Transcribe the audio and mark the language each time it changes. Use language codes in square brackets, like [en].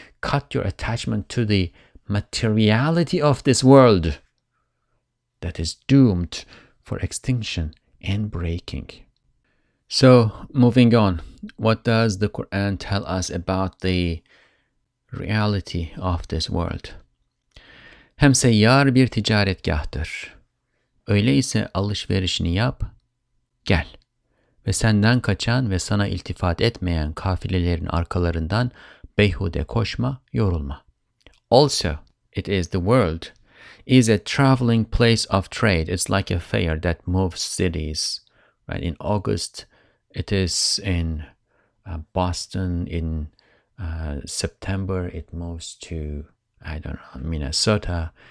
[en] Cut your attachment to the materiality of this world that is doomed for extinction and breaking. So, moving on, what does the Quran tell us about the reality of this world? [tr] Hem seyyar bir ticaretgahtır. Öyleyse alışverişini yap, gel. Ve senden kaçan ve sana iltifat etmeyen kafilelerin arkalarından beyhude koşma, yorulma. [en] Also, it is the world is a traveling place of trade. It's like a fair that moves cities. Right? In August, it is in Boston. In September, it moves to, I don't know, Minnesota.